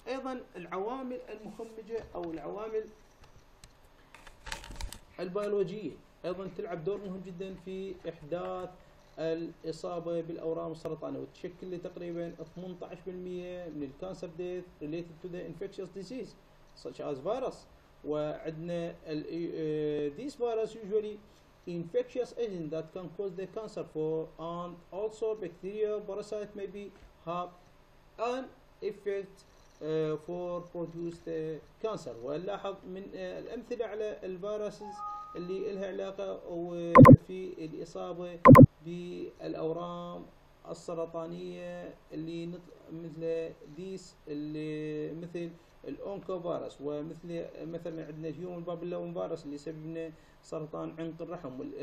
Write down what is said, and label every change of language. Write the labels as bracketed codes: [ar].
[ar] ايضا العوامل المخمجه او العوامل البيولوجيه ايضا تلعب دور مهم جدا في احداث الاصابه بالاورام السرطانيه، وتشكل تقريبا 18% من [en] الكانسر death related to the infectious disease such as virus. [ar] وعندنا [en] this virus usually infectious agent that can cause the cancer for and also bacteria parasite may be have an effect for produce the cancer. [ar] ونلاحظ من الأمثلة على الفيروسز اللي لها علاقة في الإصابة بالأورام السرطانية اللي مثل ديس اللي مثل الاونكو فيروس، ومثل مثلا عندنا هيومن بابلوم فيروس اللي يسبب لنا سرطان عنق الرحم،